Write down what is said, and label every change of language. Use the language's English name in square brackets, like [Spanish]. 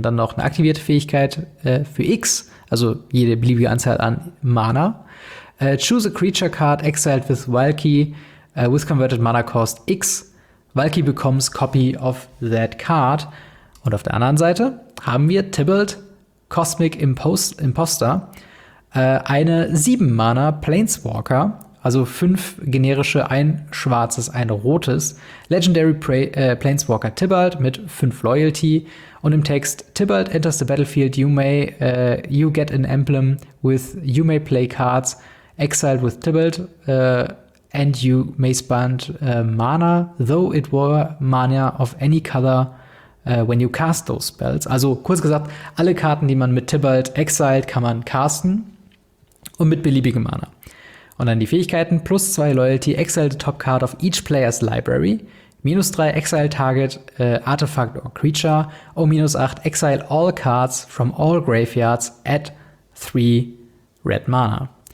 [German] Und dann noch eine aktivierte Fähigkeit für X, also jede beliebige Anzahl an Mana. [English] Choose a creature card exiled with Valky with converted mana cost X. Valky becomes copy of that card. [German] Und auf der anderen Seite haben wir Tybalt, Cosmic Imposter, eine 7-Mana Planeswalker, also 5 generische, ein schwarzes, ein rotes, [English] Legendary Planeswalker [German] Tybalt mit 5 Loyalty. Und im Text, [English] Tybalt enters the battlefield, you get an emblem with you may play cards exiled with Tybalt, and you may spend mana, though it were mana of any color when you cast those spells. [German] Also kurz gesagt, alle Karten, die man mit Tybalt exiled, kann man casten und mit beliebigem Mana. Und dann die Fähigkeiten, [English] plus 2 Loyalty, exile the top card of each player's library, minus 3 exile target, artifact or creature, [German] und minus 8 [English] exile all cards from all graveyards at 3 red mana.